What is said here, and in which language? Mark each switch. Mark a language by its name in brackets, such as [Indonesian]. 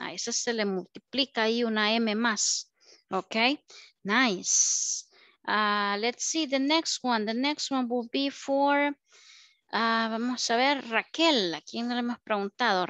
[Spanish] A esa se le multiplica ahí una M más. [English] Okay, nice. Let's see the next one. The next one will be for... [Spanish] vamos a ver, Raquel, ¿a quién le hemos preguntado?